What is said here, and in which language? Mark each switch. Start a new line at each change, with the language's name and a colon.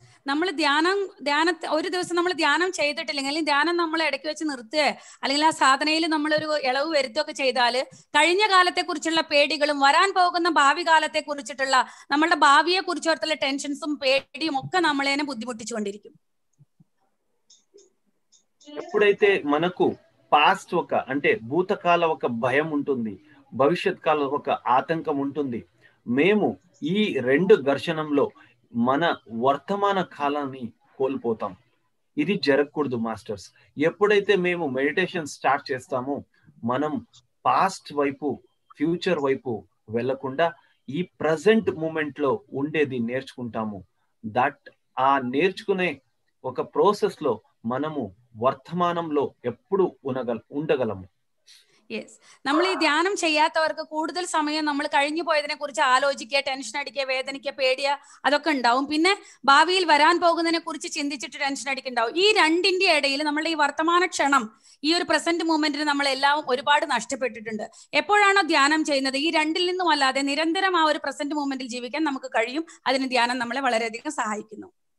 Malayalam: നമ്മൾ ധ്യാനം ഒരു ദിവസം നമ്മൾ ധ്യാനം ചെയ്തിട്ടില്ലെങ്കിൽ അല്ലെങ്കിൽ ധ്യാനം നമ്മൾ ഇടയ്ക്ക് വെച്ച് നിർത്തുക അല്ലെങ്കിൽ ആ സാധനയിൽ നമ്മളൊരു ഇളവ് വരുത്തുകയൊക്കെ ചെയ്താൽ കഴിഞ്ഞ കാലത്തെ കുറിച്ചുള്ള പേടികളും വരാൻ പോകുന്ന ഭാവി കാലത്തെ കുറിച്ചിട്ടുള്ള നമ്മളുടെ ഭാവിയെ കുറിച്ച് ഓർത്തുള്ള ടെൻഷൻസും പേടിയും ഒക്കെ നമ്മളെ ബുദ്ധിമുട്ടിച്ചു കൊണ്ടിരിക്കും
Telugu: ఎప్పుడైతే మనకు పాస్ట్ ఒక అంటే భూతకాలం ఒక భయం ఉంటుంది భవిష్యత్ కాలం ఒక ఆతంకం ఉంటుంది మేము ఈ రెండు ఘర్షణంలో మన వర్తమాన కాలాన్ని కోల్పోతాం ఇది జరగకూడదు మాస్టర్స్ ఎప్పుడైతే మేము మెడిటేషన్ స్టార్ట్ చేస్తామో మనం పాస్ట్ వైపు ఫ్యూచర్ వైపు వెళ్లకుండా ఈ ప్రజెంట్ మూమెంట్ లో ఉండేది నేర్చుకుంటాము దట్ ఆ నేర్చుకునే ఒక ప్రాసెస్ లో మనము వర్తమానంలో ఎప్పుడు ఉండగలము
Malayalam: യെസ് നമ്മൾ ഈ ധ്യാനം ചെയ്യാത്തവർക്ക് കൂടുതൽ സമയം നമ്മൾ കഴിഞ്ഞു പോയതിനെ കുറിച്ച് ആലോചിക്കുക ടെൻഷൻ അടിക്കുക വേദനിക്കുക പേടിയ അതൊക്കെ ഉണ്ടാവും പിന്നെ ഭാവിയിൽ വരാൻ പോകുന്നതിനെ കുറിച്ച് ചിന്തിച്ചിട്ട് ടെൻഷൻ അടിക്കുണ്ടാവും ഈ രണ്ടിന്റെ ഇടയിൽ നമ്മളുടെ ഈ വർത്തമാന ക്ഷണം ഈ ഒരു പ്രസന്റ് മൂമെന്റിന് നമ്മൾ എല്ലാം ഒരുപാട് നഷ്ടപ്പെട്ടിട്ടുണ്ട് എപ്പോഴാണോ ധ്യാനം ചെയ്യുന്നത് ഈ രണ്ടിൽ നിന്നും അല്ലാതെ നിരന്തരം ആ ഒരു പ്രസന്റ് മൂമെന്റിൽ ജീവിക്കാൻ നമുക്ക് കഴിയും അതിന് ധ്യാനം നമ്മളെ വളരെയധികം സഹായിക്കുന്നു